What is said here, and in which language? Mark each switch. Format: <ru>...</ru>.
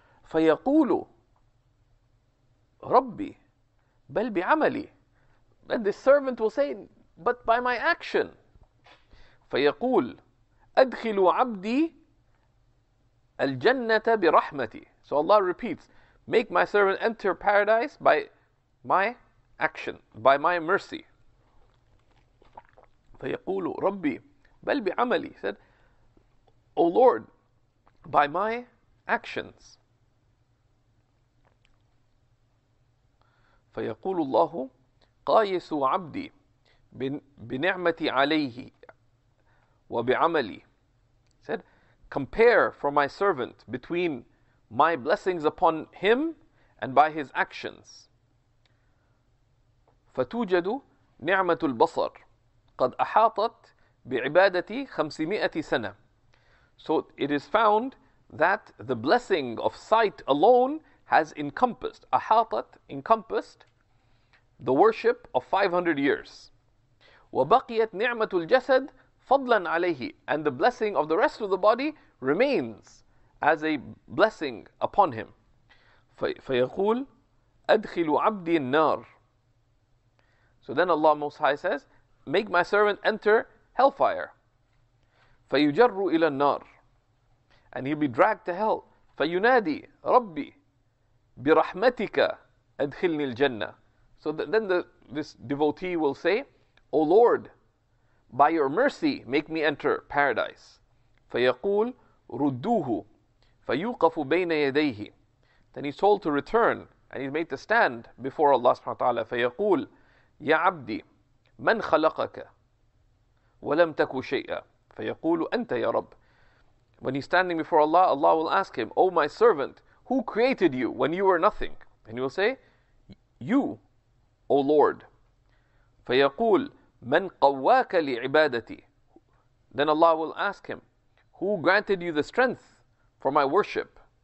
<ar>فَيَقُولُ رَبِّي بَلْ بِعَمَلِي.</ar> <en>And this servant will say, but by my action.</en> <ar>فيقول أدخل عبدي الجنة برحمتي.</ar> <en>So Allah repeats, make my servant enter paradise by my action, by my mercy.</en> <ar>فيقول ربي بل بعملي.</ar> <en>He said, O Lord, by my actions.</en> <ar>فيقول الله قايس عبدي بنعمتي عليه وبعملي.</ar> <en>He said, compare for my servant between my blessings upon him and by his actions.</en> <ar>فتوجد نعمة البصر قد أحاطت بعبادتي 500 سنة.</ar> <en>So it is found that the blessing of sight alone has encompassed, أحاطت, encompassed the worship of 500 years.</en> <ar>وبقيت نعمة الجسد فضلا عليه.</ar> <en>And the blessing of the rest of the body remains as a blessing upon him.</en> <ar>فيقول أدخل عبدي النار.</ar> <en>So then Allah Most High says, make my servant enter hellfire.</en> <ar>فيجر إلى النار.</ar> <en>And he'll be dragged to hell.</en> <ar>فينادي ربي برحمتك أدخلني الجنة.</ar> <en>So then this devotee will say, O Lord, by your mercy, make me enter paradise.</en> <ar>فيقول ردوه فيوقف بين يديه.</ar> <en>Then he's told to return and he's made to stand before Allah subhanahu wa ta'ala.</en> <ar>فيقول يا عبدي من خلقك ولم تك شيئا. فيقول أنت يا رب.</ar> <en>When he's standing before Allah, Allah will ask him, O my servant, who created you when you were nothing? And he will say, You, O Lord.</en> <ar>فيقول من قواك لعبادتي.</ar> <en>Then Allah will ask him, who granted you the strength for my worship?</en>